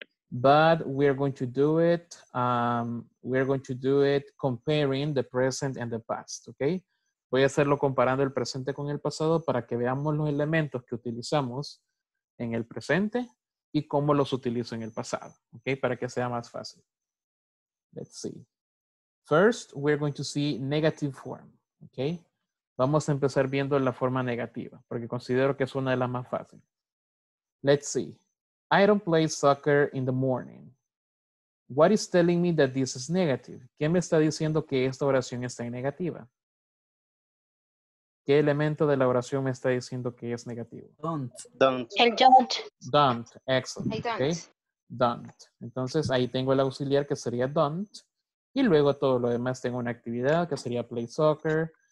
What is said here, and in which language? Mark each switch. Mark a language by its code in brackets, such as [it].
[en] But we're going to do it comparing the present and the past, okay? [es] Voy a hacerlo comparando el presente con el pasado para que veamos los elementos que utilizamos en el presente y cómo los utilizo en el pasado, okay? Para que sea más fácil. [en] Let's see. First, we're going to see negative form, okay? [es] Vamos a empezar viendo la forma negativa porque considero que es una de las más fáciles. [en] Let's see. I don't play soccer in the morning. What is telling me that this is negative? [es] ¿Qué me está diciendo que esta oración está en negativa? ¿Qué elemento de la oración me está diciendo que es negativo? [en] Don't. [es] El don't. [en] Don't. Excellent. I don't. Okay. Don't. [es] Entonces ahí tengo el auxiliar que sería don't. Y luego todo lo demás tengo una actividad que sería play soccer.